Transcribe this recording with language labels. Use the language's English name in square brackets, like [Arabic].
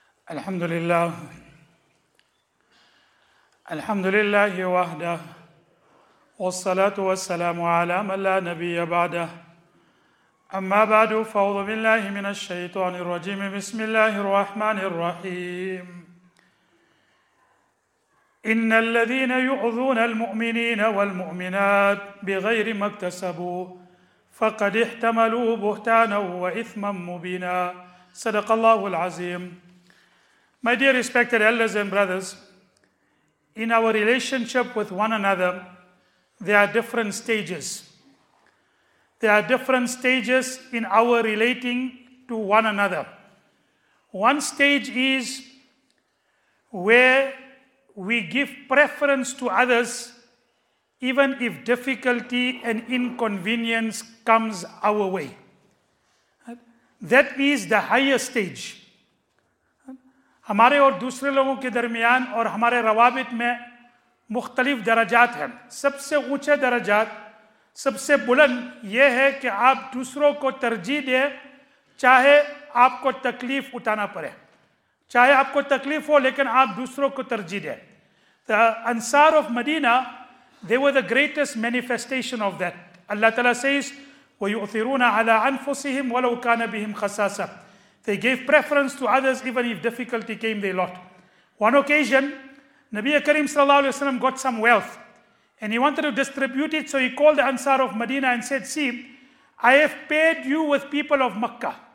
[Arabic] الحمد لله الحمد لله وحده والصلاة والسلام على من لا نبي بعده أما بعد فأعوذ بالله من الشيطان الرجيم بسم الله الرحمن الرحيم إن الذين يؤذون المؤمنين والمؤمنات بغير ما اكتسبوا فقد احتملوا بهتانا وإثما مبينا صدق الله العظيم. [English] My dear respected elders and brothers, in our relationship with one another, there are different stages. There are different stages in our relating to one another. One stage is where we give preference to others, even if difficulty and inconvenience comes our way. That is the higher stage. [Urdu] ہمارے اور دوسرے لوگوں کے درمیان اور ہمارے روابط میں مختلف درجات ہیں. سب سے اونچے درجات, سب سے بلند یہ ہے کہ آپ دوسروں کو ترجیح دیں چاہے آپ کو تکلیف اٹھانا پڑے, چاہے آپ کو تکلیف ہو لیکن آپ دوسروں کو ترجیح دیں. [English] The Ansar of Medina, they were the greatest manifestation of that. [Arabic] اللہ تعالیٰ says, وَيُؤْثِرُونَ عَلَىٰ أَنفُسِهِمْ وَلَوْ كَانَ بِهِمْ خَصَاصَةٌ. [English] They gave preference to others even if difficulty came their lot. One occasion, Nabi Karim sallallahu alaihi wasallam got some wealth and he wanted to distribute it, so he called the Ansar of Medina and said, see, I have paid you with people of Makkah.